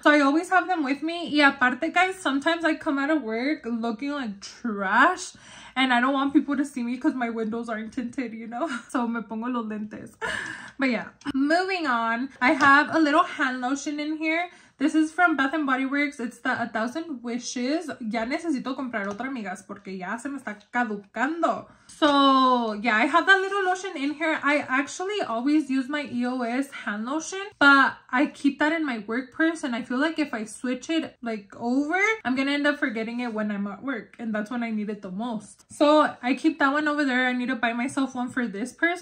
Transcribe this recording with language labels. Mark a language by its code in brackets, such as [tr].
[en] So I always have them with me. [es] Y aparte, [en] guys, sometimes I come out of work looking like trash. And I don't want people to see me because my windows aren't tinted, you know? So [es] me pongo los lentes. [en] But yeah, moving on. I have a little hand lotion in here. This is from Bath & Body Works. It's the 1000 Wishes. [es] Ya necesito comprar otra, amigas, porque ya se me está caducando. [en] So, yeah, I have that little lotion in here. I actually always use my EOS hand lotion, but I keep that in my work purse. And I feel like if I switch it, like, over, I'm going to end up forgetting it when I'm at work. And that's when I need it the most. So, I keep that one over there. I need to buy myself one for this purse.